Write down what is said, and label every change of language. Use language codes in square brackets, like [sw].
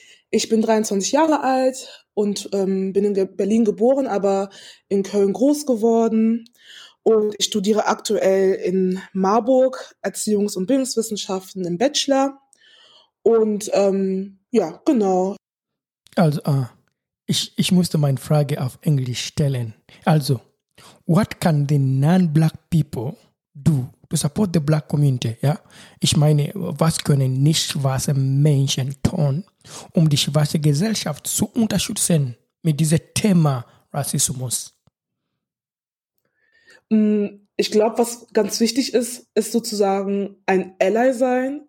[de] Ich bin 23 Jahre alt und bin in Berlin geboren, aber in Köln groß geworden. Und ich studiere aktuell in Marburg Erziehungs- und Bildungswissenschaften im Bachelor. Und ja, genau. Also, ich musste meine Frage auf Englisch stellen. Also, [en] what can the non-black people do to support the black community? [de] Ja? Ich meine, was können nicht-schwarze Menschen tun, um die schwarze Gesellschaft zu unterstützen mit diesem Thema Rassismus? Ich glaube, was ganz wichtig ist, ist sozusagen ein Ally sein.